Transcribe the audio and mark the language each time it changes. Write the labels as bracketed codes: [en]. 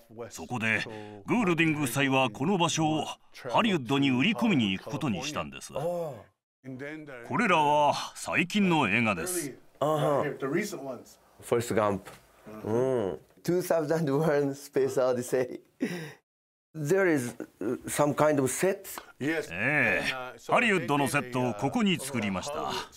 [ja] そこでグールディング夫妻はこの場所をハリウッドに売り込みに行くことにしたんです。これらは最近の映画です。フォレスト・ガンプ、2001 Space Odyssey。 [en] There is some kind of set? Yes. [ja] ハリウッドのセットをここに作りました。